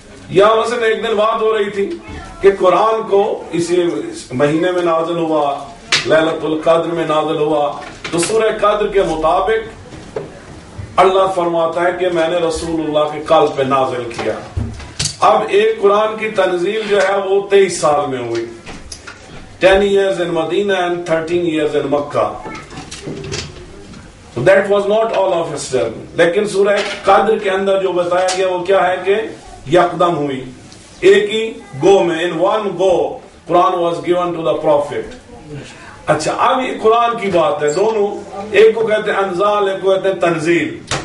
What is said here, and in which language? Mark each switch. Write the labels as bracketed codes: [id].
[ur] یا مثلا ایک دن بات ہو رہی تھی کہ قرآن کو اسی مہینے میں نازل ہوا، لیلۃ القدر میں نازل ہوا، تو سورہ قدر کے مطابق اللہ فرماتا ہے کہ میں نے رسول اللہ کے قلب پہ نازل کیا. اب ایک قرآن کی تنزیل جو ہے وہ 23 سال میں ہوئی، [en] 10 years in Madina and 13 years in Makkah. So that was not all of Islam. [ur] لیکن سورہ قدر کے اندر جو بتایا گیا وہ کیا ہے کہ یکدم ہوئی، ایک ہی گو میں، [en] in one go [ur] Quran was given to the prophet. اچھا اب یہ قرآن کی بات ہے، دونوں ایک کو کہتے ہیں انزال، ایک کو کہتے ہیں تنزیل.